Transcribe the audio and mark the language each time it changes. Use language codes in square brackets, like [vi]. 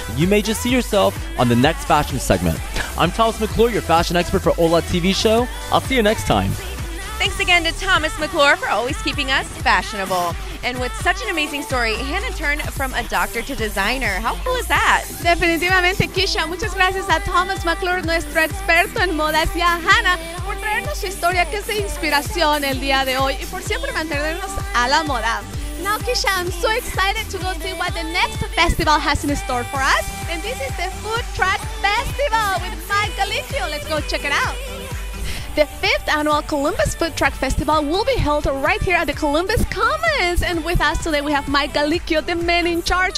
[en] You may just see yourself on the next fashion segment. I'm Thomas McClure, your fashion expert for Hola TV show. I'll see you next time. Thanks again to Thomas McClure for always keeping us fashionable. And with such an amazing story, Hannah turned from a doctor to designer. How cool is that? [es] Definitivamente, Keisha. Muchas gracias a Thomas McClure, nuestro experto en modas, y a Hannah por traernos su historia que es de inspiración el día de hoy y por siempre mantenernos a la moda. [en] Now, Keisha, I'm so excited to go see what the next festival has in store for us. And this is the Food Truck Festival with Mike Galicio. Let's go check it out. The 5th annual Columbus Food Truck Festival will be held right here at the Columbus Commons. And with us today, we have Mike Galicio, the man in charge.